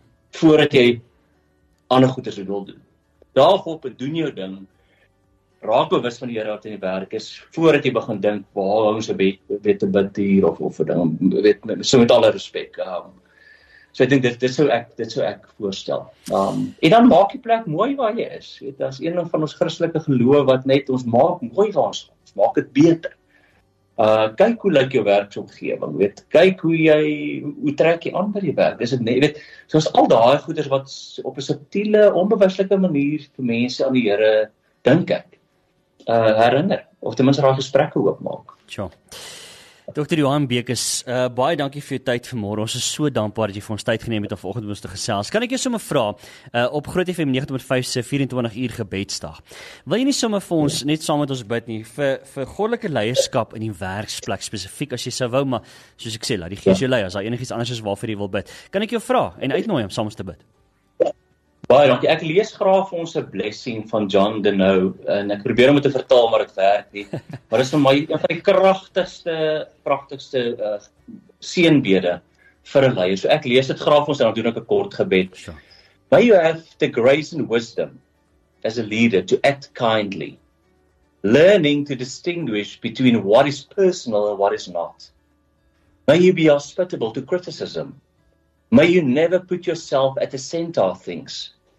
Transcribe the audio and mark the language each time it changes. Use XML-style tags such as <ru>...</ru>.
<af>Voordat jy ander goeders wil doen. Daag op en doen jou ding. Raak bewus van die Here wat in die werk is voordat jy begin dink waar hou ons 'n wette bid hier of vir ding weet so met alle respek. So ek dink dit sou ek voorstel. En dan maak die plek mooi waar jy is. Weet, dit is een van ons Christelike geloof wat net ons maak mooi waar ons is. Maak dit beter. Kyk hoe lyk jou werksomgewing, weet. Kyk hoe trek jy aan by die werk. Dis net weet, soos al daai goeders wat op 'n subtiele, onbewuslike manier vir mense aan die Here dink ek. Herinner, of ten minste raak gesprekke oopmaak. Ja. Dokter Johan Bekes, baie dankie vir jou tyd vanmôre. Ons is so dankbaar dat jy vir ons tyd geneem het om vanoggend met ons te gesels. Kan ek jou sommer vra, op Groot FM 90.5 se 24 uur gebedsdag, wil jy nie sommer vir ons, net saam met ons bid nie, vir goddelike leierskap in die werksplek, spesifiek as jy sou wou, maar soos ek sê, laat die Gees jou lei, as daar enigiets anders is waarvoor jy wil bid. Kan ek jou vra en uitnooi om saam ons te bid? Baie dankie. Ek lees graag vir ons 'n blessing van John Donohoe en ek probeer om dit te vertaal maar dit werk nie. Maar dit is vir my een van die pragtigste seënbede vir 'n leier. So ek lees dit graag vir ons en dan doen ek 'n kort gebed.</af> <en>May you have the grace and wisdom as a leader to act kindly, learning to distinguish between what is personal and what is not. May you be hospitable to criticism. May you never put yourself at the center of things.</en>